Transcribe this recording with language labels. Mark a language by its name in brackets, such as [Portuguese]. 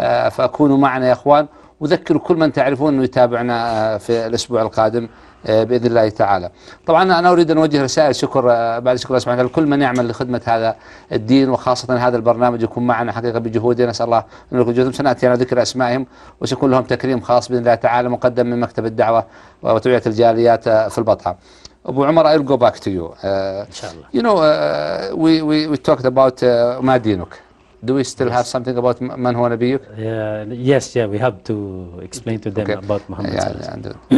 [Arabic] فكونوا معنا يا أخوان، وذكروا كل من تعرفون أنه يتابعنا في الأسبوع القادم بإذن الله تعالى. طبعا أنا أريد أن أوجه رسائل شكر بعد شكر الله سبحانه لكل من يعمل لخدمة هذا الدين، وخاصة هذا البرنامج يكون معنا حقيقة بجهوده، نسأل الله أن يكون جهودهم. سنأتي أنا ذكر أسمائهم وسيكون لهم تكريم خاص بإذن الله تعالى، مقدم من مكتب الدعوة وتوعية الجاليات في البطحة. [English] أبو عمر، I'll go back to you. You know, we talked about [Arabic] ما دينك. [English] Do we still have something about [Arabic] من هو نبيك؟ [English] Yes, we have to explain to them about Muhammad.